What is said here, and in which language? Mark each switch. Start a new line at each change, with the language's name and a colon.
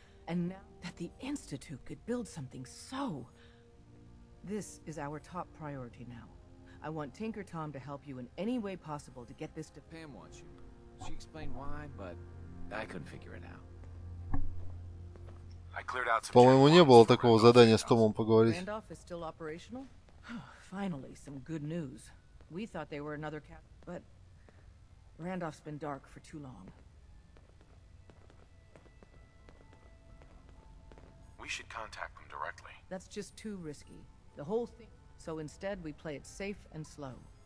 English: And now that the Institute could build something so... This is our top priority now. I want Tinker Tom to help you in any way possible to get this to... Pam wants you. She explained why, but I couldn't figure it out.
Russian: По-моему, не было такого задания с Томом поговорить.
English: Randolph is still operational? Finally, some good news. We thought they were another cap, but Randolph's been dark for too long. We should contact them directly. That's just too risky. The whole thing. So instead, we play it safe and slow.